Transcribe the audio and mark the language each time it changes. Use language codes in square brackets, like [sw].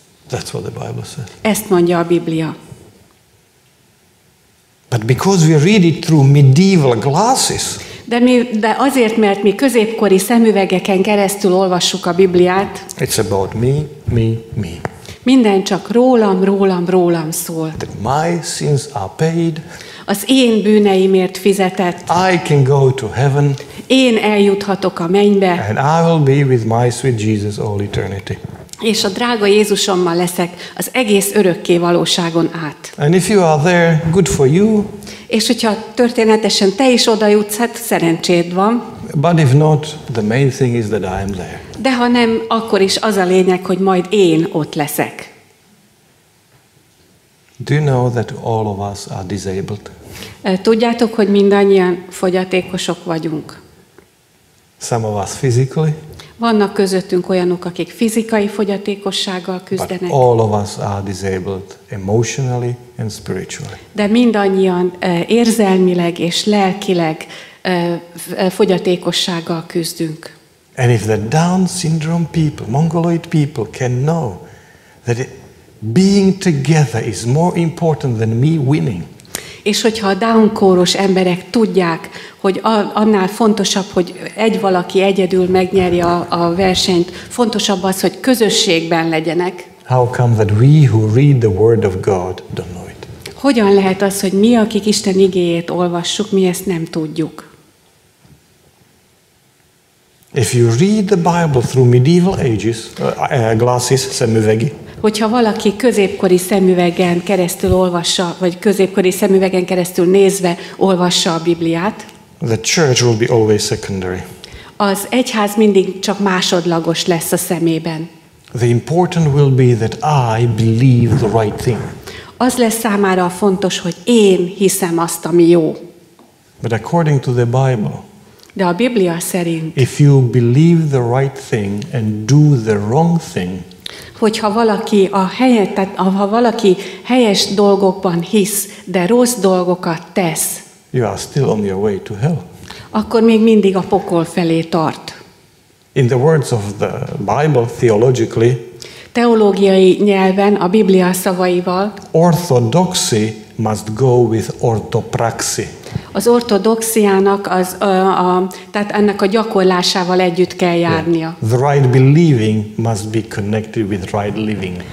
[en] That's what the Bible says. [hu] Ezt mondja a Biblia. [en] But because we read it through medieval glasses. [hu] De azért, mert mi középkori szemüvegeken keresztül olvassuk a Bibliát. [en] It's about me, me, me. [hu] Minden csak rólam, rólam, rólam szól. [en] That my sins are paid. [hu] Az én bűneimért fizetett. [en] I can go to heaven. [hu] Én eljuthatok a mennybe. [en] And I will be with my sweet Jesus all eternity. [hu] És a drága Jézusommal leszek az egész örökké valóságon át. [en] And if you are there, good for you. [hu] És hogyha történetesen te is oda jutsz, hát szerencséd van. [en] But if not, the main thing is that I am there. [hu] De ha nem, akkor is az a lényeg, hogy majd én ott leszek. [en] Do you know that all of us are disabled? [hu] Tudjátok, hogy mindannyian fogyatékosok vagyunk. [en] Some of us physically. [hu] Vannak közöttünk olyanok, akik fizikai fogyatékossággal küzdenek. [en] But all of us are disabled emotionally and spiritually. [hu] De mindannyian érzelmileg és lelkileg fogyatékossággal küzdünk. [en] And if the Down syndrome people, Mongoloid people can know that being together is more important than me winning. [hu] És hogyha a Down-kóros emberek tudják, hogy annál fontosabb, hogy egy valaki egyedül megnyerje a versenyt, fontosabb az, hogy közösségben legyenek. [en] How come that we who read the word of God don't know it? [hu] Hogyan lehet az, hogy mi, akik Isten igéjét olvassuk, mi ezt nem tudjuk? [en] If you read the Bible through medieval ages, glasses, [hu] szemüvegi. Hogyha valaki középkori szemüvegen keresztül olvassa, vagy középkori szemüvegen keresztül nézve olvassa a Bibliát, [en] the church will be always secondary. [hu] Az egyház mindig csak másodlagos lesz a szemében. [en] The important will be that I believe the right thing. [hu] Az lesz számára a fontos, hogy én hiszem azt, ami jó. [en] But according to the Bible, [hu] de a Biblia szerint, [en] if you believe the right thing and do the wrong thing, [hu] hogyha valaki a helyet, tehát ha valaki helyes dolgokban hisz, de rossz dolgokat tesz, [en] you are still on your way to hell. [hu] Akkor még mindig a pokol felé tart. [en] In the words of the Bible, theologically, [hu] teológiai nyelven, a Biblia szavaival, [en] orthodoxy must go with orthopraxy. [hu] Az ortodoxiának, az, tehát ennek a gyakorlásával együtt kell járnia. [en] Yeah. The right believing must be connected with right living.